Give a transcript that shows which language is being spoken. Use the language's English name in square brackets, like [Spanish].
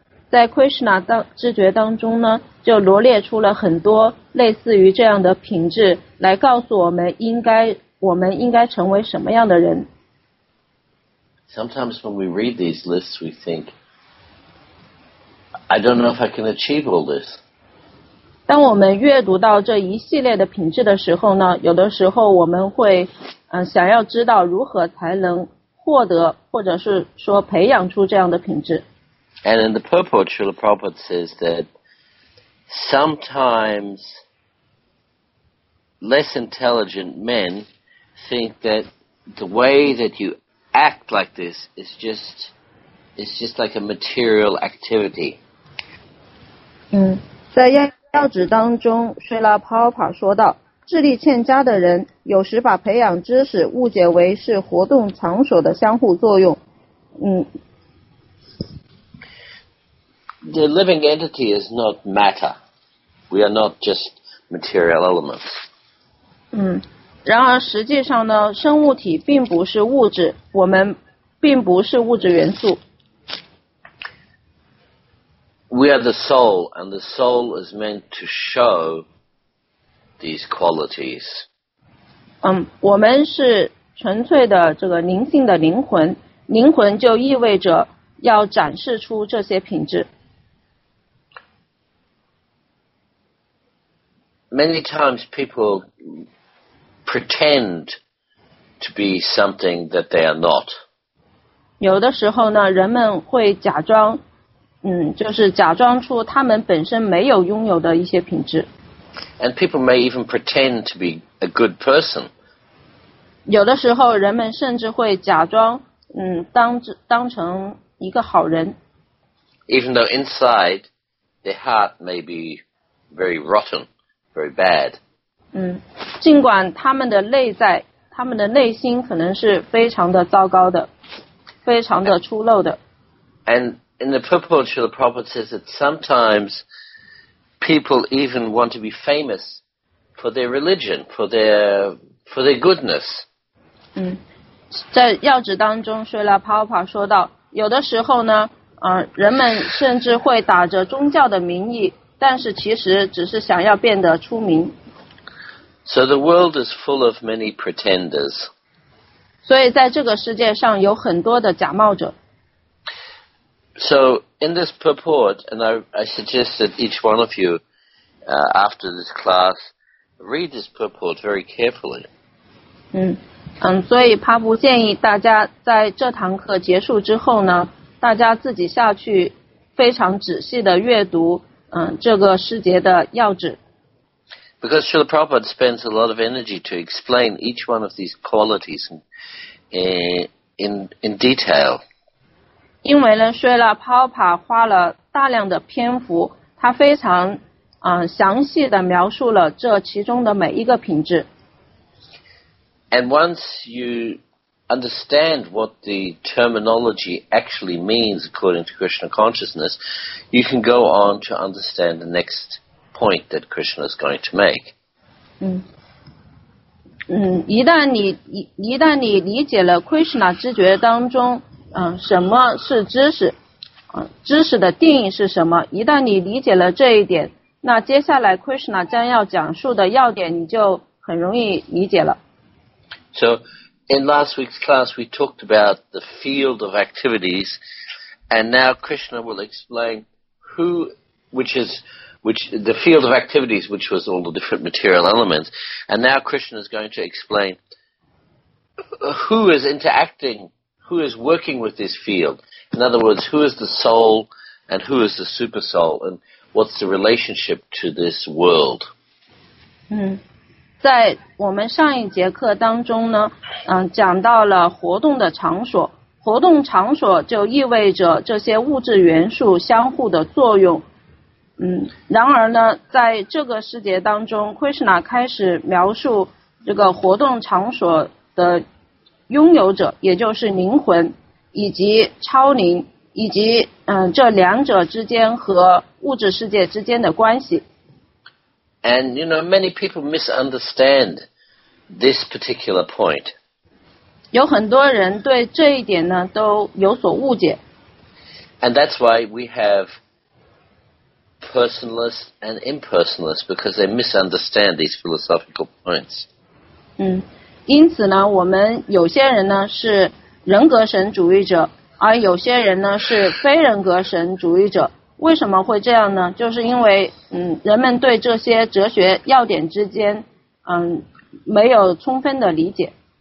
[Chinese] 在 Krishna 知觉当中呢，就罗列出了很多类似于这样的品质，来告诉我们应该成为什么样的人。 [English] Sometimes when we read these lists, we think,I don't know if I can achieve all this. [Chinese] 当我们阅读到这一系列的品质的时候呢，有的时候我们会想要知道如何才能获得或者是说培养出这样的品质。 [English] And in the purport, Srila Prabhupada says that sometimes less intelligent men think that the way that you act like this is just like a material activity. [Chinese] 在要旨当中，睡拉帕帕说道，智力欠佳的人有时把培养知识误解为是活动场所的相互作用。 [English] The living entity is not matter. We are not just material elements. [Chinese] 然而实际上呢，生物体并不是物质，我们并不是物质元素。 [English] We are the soul, and the soul is meant to show these qualities. [Chinese] 我们是纯粹的这个灵性的灵魂，灵魂就意味着要展示出这些品质。 [English] Many times people pretend to be something that they are not. [Chinese] 有的时候呢，人们会假装就是假装出他们本身没有拥有的一些品质。 [English] And people may even pretend to be a good person. [Chinese] 有的时候人们甚至会假装当成一个好人。 [English] Even though inside their heart may be very rotten, very bad. [Chinese] 尽管他们的内心可能是非常的糟糕的，非常的粗陋的。 [English] And in the purport of Srila Prabhupada says that sometimes people even want to be famous for their religion, for their goodness. [Chinese] 在要旨当中，说了帕帕说到，有的时候呢，人们甚至会打着宗教的名义，但是其实只是想要变得出名。 [English] So the world is full of many pretenders. [Chinese] 所以在这个世界上有很多的假冒者。 [English] So in this purport, and I suggest that each one of you, after this class, read this purport very carefully. [Chinese] 所以帕布建议大家在这堂课结束之后呢，大家自己下去非常仔细的阅读，这个师节的要旨。 [English] Because Srila Prabhupada spends a lot of energy to explain each one of these qualities in detail. [Chinese] 因为呢，虽然帕帕花了大量的篇幅，他非常详细的描述了这其中的每一个品质。 [English] And once you understand what the terminology actually means according to Krishna consciousness, you can go on to understand the next point that Krishna is going to make. [Chinese] 一旦你理解了 Krishna 知觉当中，什么是知识，知识的定义是什么？一旦你理解了这一点，那接下来 Krishna 将要讲述的要点你就很容易理解了。 [English] So, in last week's class, we talked about the field of activities, and now Krishna will explain the field of activities, which was all the different material elements, and now Krishna is going to explain who is interacting, who is working with this field. In other words, who is the soul and who is the super soul, and what's the relationship to this world? [Chinese] 在我们上一节课当中呢，讲到了活动的场所。活动场所就意味着这些物质元素相互的作用。然而呢，在这个世界当中 ，Krishna 开始描述这个活动场所的拥有者，也就是灵魂以及超灵，以及这两者之间和物质世界之间的关系。 [English] And, you know, many people misunderstand this particular point. [Chinese] 有很多人对这一点呢都有所误解。 [English] And that's why we have personalists and impersonalists, because they misunderstand these philosophical points. [Chinese] 因此呢，我们有些人呢是人格神主义者，而有些人呢是非人格神主义者。为什么会这样呢？就是因为人们对这些哲学要点之间没有充分的理解。